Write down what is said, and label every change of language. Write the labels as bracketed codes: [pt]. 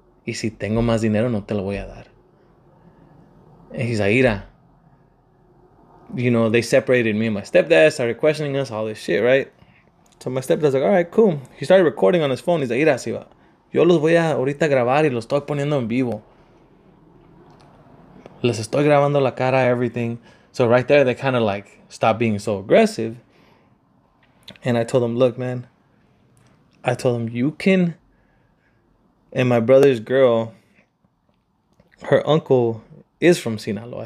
[es] Y si tengo más dinero, no te lo voy a dar. [en] And he's like, [es] ira. [en] You know, they separated me and my stepdad, started questioning us, all this shit, right? So my stepdad's like, all right, cool. He started recording on his phone. He's like, [es] ira, si va. Yo los voy a ahorita grabar y los estoy poniendo en vivo. Les estoy grabando la cara, [en] everything. So right there, they kind of like stopped being so aggressive. And I told him, look, man. I told him, you can. And my brother's girl, her uncle is from Sinaloa.